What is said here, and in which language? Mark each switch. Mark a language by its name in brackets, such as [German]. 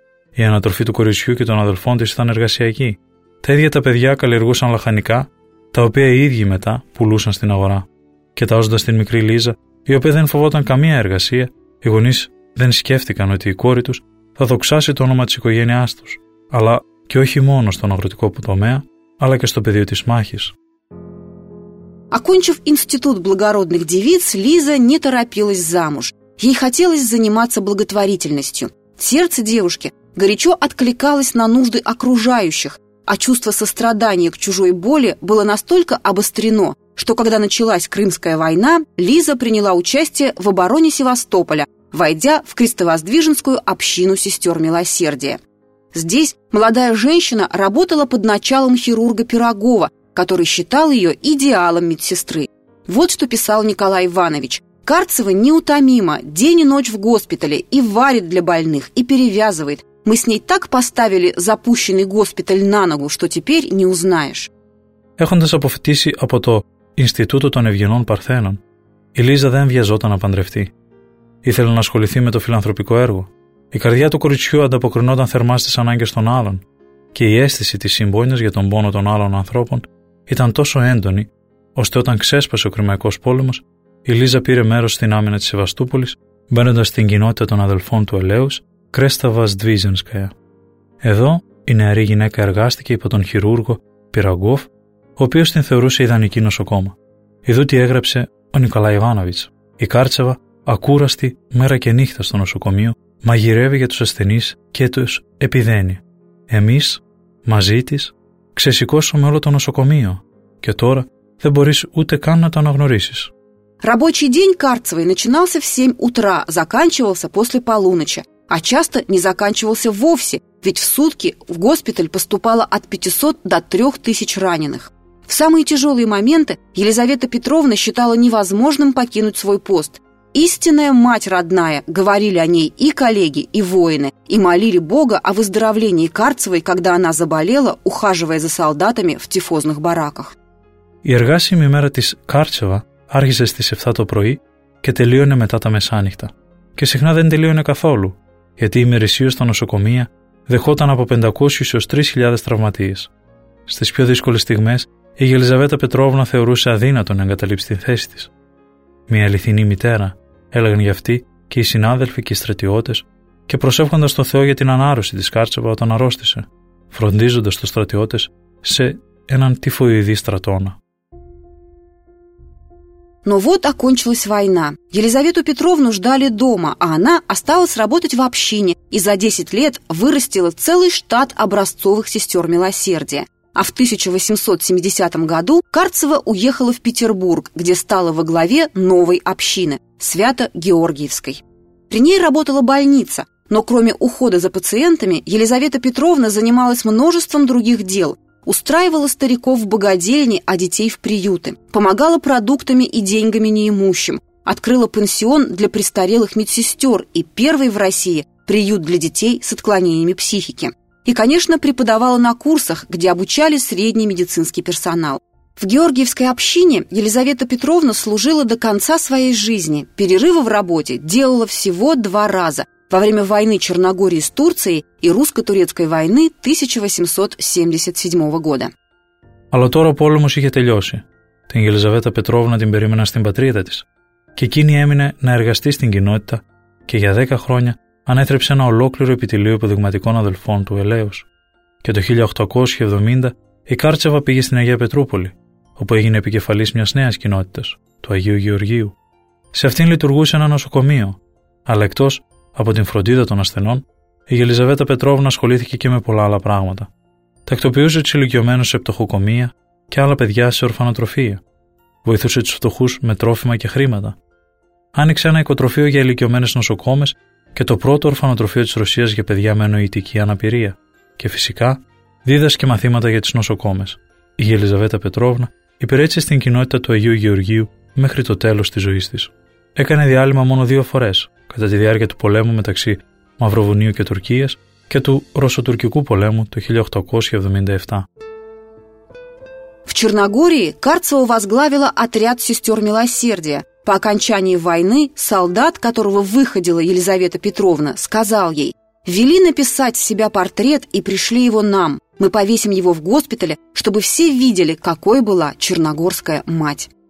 [Greek] Η ανατροφή του κοριτσιού και των αδελφών της ήταν εργασιακή. Τα ίδια τα παιδιά καλλιεργούσαν λαχανικά, τα οποία οι ίδιοι μετά πουλούσαν στην αγορά. Κοιτάζοντας την μικρή Λίζα, η οποία δεν φοβόταν καμία εργασία, οι γονείς δεν σκέφτηκαν ότι η κόρη τους θα δοξάσει το όνομα της οικογένειάς τους, αλλά και όχι μόνο στον αγροτικό τομέα, αλλά και στο πεδίο της μάχης. [Russian] Окончив институт благородных девиц, Лиза не торопилась замуж. Ей хотелось заниматься благотворительностью. Сердце девушки горячо откликалось на нужды окружающих, а чувство сострадания к чужой боли было настолько обострено, что когда началась Крымская война, Лиза приняла участие в обороне Севастополя, войдя в крестовоздвиженскую общину сестер милосердия. Здесь молодая женщина работала под началом хирурга Пирогова, который считал ее идеалом медсестры. Вот что писал Николай Иванович. «Карцева неутомима, день и ночь в госпитале, и варит для больных, и перевязывает. Мы с ней так поставили запущенный госпиталь на ногу, что теперь не узнаешь». [Greek] Έχοντας αποφυτίσει από το Ινστιτούτο των Ευγενών Παρθένων, η Λίζα δεν βιαζόταν να παντρευτεί. Ήθελε να ασχοληθεί με το φιλανθρωπικό έργο. Η καρδιά του κοριτσιού ανταποκρινόταν θερμά στις ανάγκες των άλλων και η αίσθηση της συμπόνιας για τον πόνο των άλλων ανθρώπων ήταν τόσο έντονη, ώστε όταν ξέσπασε ο Κρυμαϊκός πόλεμος, η Λίζα πήρε μέρος στην άμυνα της Σεβαστούπολης, μπαίνοντας στην κοινότητα των αδελφών του Ελέους, Κρέσταβα-Σδβίζενσκαια. Εδώ η νεαρή γυναίκα εργάστηκε υπό τον χειρούργο Πυραγκόφ, ο οποίος την θεωρούσε ιδανική νοσοκόμα. Ιδού τι έγραψε ο Νικολάη Ιβάνοβιτς. Η Κάρτσεβα, ακούραστη μέρα και νύχτα στο νοσοκομείο, μαγειρεύει για τους ασθενείς και τους επιδένει. Εμείς, μαζί της, ξεσηκώσαμε όλο το νοσοκομείο και τώρα δεν μπορείς ούτε καν να το αναγνωρίσεις. [Russian] Рабочий день Карцевой начинался в 7 утра, заканчивался после полуночи, а часто не заканчивался вовсе, ведь в сутки в госпиталь поступало от 500 до 3000 раненых. В самые тяжелые моменты Елизавета Петровна считала невозможным покинуть свой пост. «Истинная мать родная», — говорили о ней и коллеги, и воины, и молили Бога о выздоровлении Карцевой, когда она заболела, ухаживая за солдатами в тифозных бараках. [Greek] Η εργάσιμη ημέρα της Κάρτσεβα άρχιζε στις 7 το πρωί και τελείωνε μετά τα μεσάνυχτα. Και συχνά δεν τελείωνε καθόλου, γιατί η μερισίωση στα νοσοκομεία δεχόταν από 500 έως 3.000 τραυματίες. Στις πιο δύσκολες στιγμές, η Ελισαβέτα Πετρόβνα θεωρούσε αδύνατο να εγκαταλείψει την θέση της. Μια αληθινή μητέρα, έλεγαν για αυτή και οι συνάδελφοι και οι στρατιώτες, και προσεύχοντας στον Θεό για την ανάρρωση της Κάρτσεβα όταν αρρώστησε, φροντίζοντας τους στρατιώτες σε έναν τυφοειδή στρατόνα. [Russian] Но вот окончилась война. Елизавету Петровну ждали дома, а она осталась работать в общине и за 10 лет вырастила целый штат образцовых сестер милосердия. А в 1870 году Карцева уехала в Петербург, где стала во главе новой общины – Свято-Георгиевской. При ней работала больница, но кроме ухода за пациентами, Елизавета Петровна занималась множеством других дел – устраивала стариков в богадельни, а детей в приюты. Помогала продуктами и деньгами неимущим. Открыла пансион для престарелых медсестер и первый в России приют для детей с отклонениями психики. И, конечно, преподавала на курсах, где обучали средний медицинский персонал. В Георгиевской общине Елизавета Петровна служила до конца своей жизни. Перерывы в работе делала всего два раза. во время войны Черногории с Турцией и русско-турецкой войны 1877 года. [Greek] Αλλά τώρα ο πόλεμος είχε τελειώσει. Την Ελισαβέτα Πετρόβνα την περίμενα στην πατρίδα της. Και εκείνη έμεινε να εργαστεί στην κοινότητα και για 10 χρόνια ανέθρεψε ένα ολόκληρο επιτελείο υποδειγματικών αδελφών του Ελέους. Και το 1870 η Κάρτσεβα πήγε στην Αγία Πετρούπολη, όπου έγινε επικεφαλής μιας νέας κοινότητας, του Αγίου Γεωργίου. Σε αυτήν λειτουργούσε ένα νοσοκομείο, αλλά εκτός από την φροντίδα των ασθενών, η Ελισαβέτα Πετρόβνα ασχολήθηκε και με πολλά άλλα πράγματα. Τακτοποιούσε τους ηλικιωμένους σε πτωχοκομεία και άλλα παιδιά σε ορφανοτροφία. Βοηθούσε τους φτωχούς με τρόφιμα και χρήματα. Άνοιξε ένα οικοτροφείο για ηλικιωμένες νοσοκόμες και το πρώτο ορφανοτροφείο της Ρωσίας για παιδιά με νοητική αναπηρία. Και φυσικά, δίδασκε μαθήματα για τις νοσοκόμες. Η Ελισαβέτα Πετρόβνα υπηρέτησε στην κοινότητα του Αγίου Γεωργίου μέχρι το τέλος της ζωής της. Έκανε διάλειμμα μόνο 2 φορές, κατά τη διάρκεια του πολέμου μεταξύ Μαυροβουνίου και Τουρκίας και του Ρωσοτουρκικού πολέμου το 1877. [Russian] В Черногории Карцева возглавила отряд сестер милосердия. По окончании войны солдат, которого выходила Елизавета Петровна, сказал ей: «Вели написать с себя портрет и пришли его нам. Мы повесим его в госпитале, чтобы все видели, какой была черногорская мать».